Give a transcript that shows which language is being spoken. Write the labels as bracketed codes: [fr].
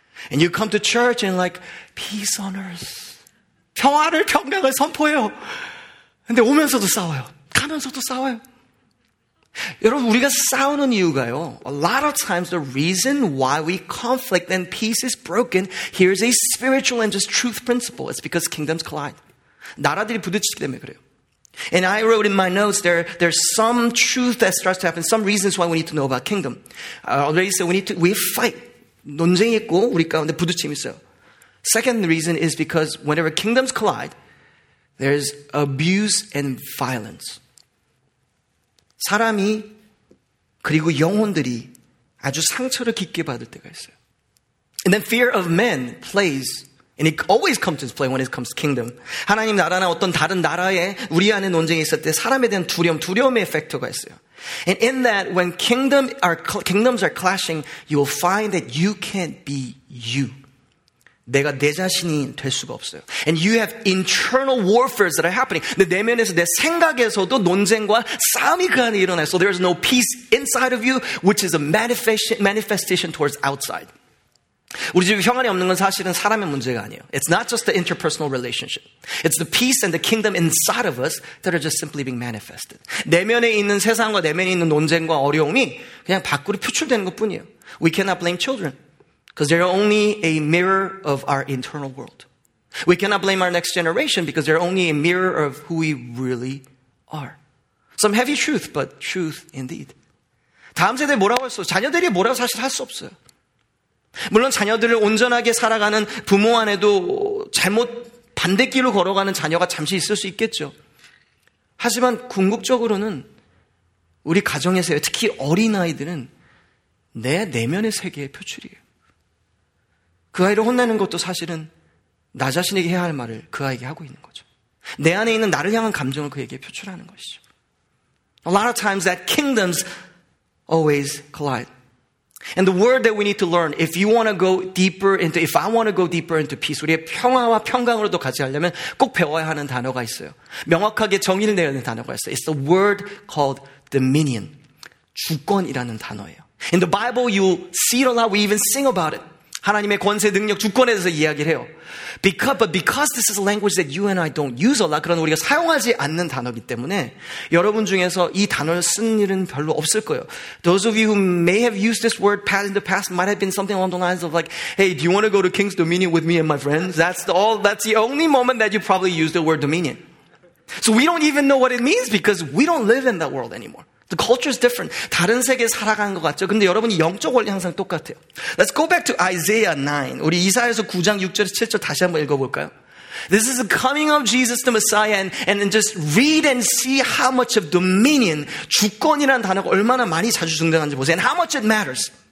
[en] And you come to church and like, peace on earth. [ko] 평화를, 평강을 선포해요. 근데 오면서도 싸워요. 가면서도 싸워요. 여러분, 우리가 싸우는 이유가요. [en] A lot of times the reason why we conflict and peace is broken, here's a spiritual and just truth principle. It's because kingdoms collide. [ko] 나라들이 부딪히기 때문에 그래요. [en] And I wrote in my notes, there's some truth that starts to happen, some reasons why we need to know about kingdom. I already said we fight. [ko] 논쟁이 있고 우리 가운데 부딪힘이 있어요. [en] Second reason is because whenever kingdoms collide, there's abuse and violence. [ko] 사람이 그리고 영혼들이 아주 상처를 깊게 받을 때가 있어요. [en] And then fear of men plays, and it always comes into play when it comes to kingdom. [ko] 하나님 나라나 어떤 다른 나라에 우리 안에 논쟁이 있을 때 사람에 대한 두려움의 팩터가 있어요. [en] And in that, when kingdoms are clashing, you will find that you can't be you. [ko] 내가 내 자신이 될 수가 없어요. [en] And you have internal warfares that are happening. [ko] 내 내면에서 내 생각에서도 논쟁과 싸움이 그 안에 일어나요. [en] So there is no peace inside of you, which is a manifestation towards outside. [ko] 우리 집에 평안이 없는 건 사실은 사람의 문제가 아니에요. [en] It's not just the interpersonal relationship. It's the peace and the kingdom inside of us that are just simply being manifested. [ko] 내면에 있는 세상과 내면에 있는 논쟁과 어려움이 그냥 밖으로 표출되는 것뿐이에요. [en] We cannot blame children because they're only a mirror of our internal world. We cannot blame our next generation because they're only a mirror of who we really are. Some heavy truth, but truth indeed. [ko] 다음 세대 뭐라고 할 수 없어요. 자녀들이 뭐라고 사실 할 수 없어요. 물론 자녀들을 온전하게 살아가는 부모 안에도 잘못 반대길로 걸어가는 자녀가 잠시 있을 수 있겠죠. 하지만 궁극적으로는 우리 가정에서 특히 어린아이들은 내 내면의 세계의 표출이에요. 그 아이를 혼내는 것도 사실은 나 자신에게 해야 할 말을 그 아이에게 하고 있는 거죠. 내 안에 있는 나를 향한 감정을 그에게 표출하는 것이죠. [en] A lot of times that kingdoms always collide. And the word that we need to learn, if you want to go deeper into, if I want to go deeper into peace, [ko] 우리의 평화와 평강으로도 같이 하려면 꼭 배워야 하는 단어가 있어요. 명확하게 정의를 내야 하는 단어가 있어요. [en] It's the word called dominion. [ko] 주권이라는 단어예요. [en] In the Bible, you see it a lot. We even sing about it. [ko] 하나님의 권세, 능력, 주권에 대해서 이야기를 해요. [en] But because this is a language that you and I don't use a lot, [ko] 그런 우리가 사용하지 않는 단어이기 때문에 여러분 중에서 이 단어를 쓴 일은 별로 없을 거예요. [en] Those of you who may have used this word in the past might have been something along the lines of like, hey, do you want to go to King's Dominion with me and my friends? That's the only moment that you probably use the word dominion. So we don't even know what it means because we don't live in that world anymore. The culture is different. [ko] 다른 세계에 살아가는 것 같죠? 근데 여러분이 영적 원리 항상 똑같아요. [en] Let's go back to Isaiah 9. [ko] 우리 이사야서 9장 6절에서 7절 다시 한번 읽어볼까요? [en] This is the coming of Jesus the Messiah and just read and see how much of dominion, [ko] 주권이라는 단어가 얼마나 많이 자주 등장하는지 보세요. [en] And how much it matters.